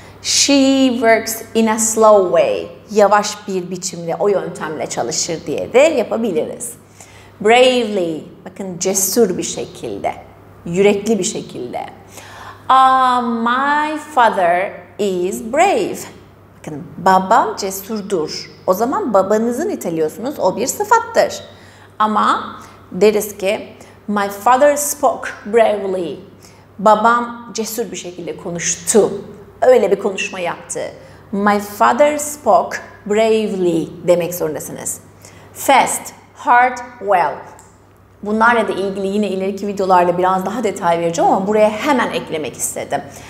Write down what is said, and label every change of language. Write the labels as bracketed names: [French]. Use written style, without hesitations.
[English] She works in a slow way. [Turkish] Yavaş bir biçimde o yöntemle çalışır diye de yapabiliriz. Bravely. Bakın cesur bir şekilde. Yürekli bir şekilde. [English] My father is brave. [Turkish] Bakın babam cesurdur. O zaman babanızı niteliyorsunuz. O bir sıfattır. Ama deriz ki [English] my father spoke bravely. [Turkish] Babam cesur bir şekilde konuştu. Öyle bir konuşma yaptı. [English] My father spoke bravely [Turkish] demek zorundasınız. Fast, hard, well. Bunlarla da ilgili yine ileriki videolarda biraz daha detay vereceğim ama buraya hemen eklemek istedim.